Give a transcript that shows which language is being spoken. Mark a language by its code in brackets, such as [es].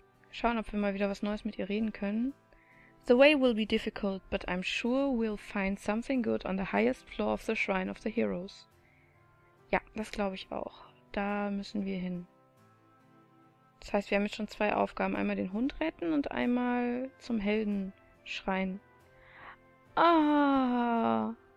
[de] Schauen, ob wir mal wieder was Neues mit ihr reden können. [en] The way will be difficult, but I'm sure we'll find something good on the highest floor of the Shrine of the Heroes. [de] Ja, das glaube ich auch. Da müssen wir hin. Das heißt, wir haben jetzt schon zwei Aufgaben. Einmal den Hund retten und einmal zum Helden schreien. Ah!